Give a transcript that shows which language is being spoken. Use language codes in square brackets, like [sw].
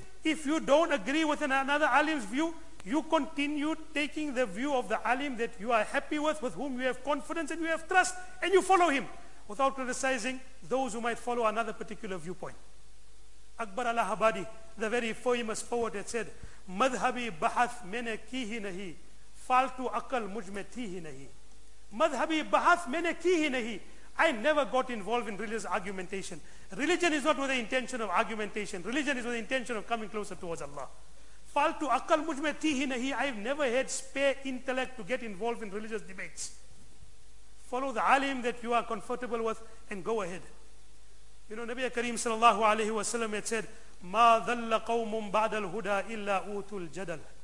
[en] If you don't agree with another alim's view, you continue taking the view of the alim that you are happy with whom you have confidence and you have trust, and you follow him, without criticizing those who might follow another particular viewpoint. Akbar al-Ahabadi, the very famous poet, had said, [ur] مذهبی بحث میں نے کی ہی نہیں, فالتو عقل مجھ میں تھی ہی نہیں. مذہبی بحث میں نے کی ہی نہیں. [en] I never got involved in religious argumentation. Religion is not with the intention of argumentation. Religion is with the intention of coming closer towards Allah. [ur] Faltu akal mujh mein thi hi nahi. [en] I've never had spare intellect to get involved in religious debates. Follow the alim that you are comfortable with and go ahead. You know, Nabiya Kareem sallallahu alayhi wa sallam had said, [ar] Ma dhalla qawmun ba'da al-huda illa utul jadal.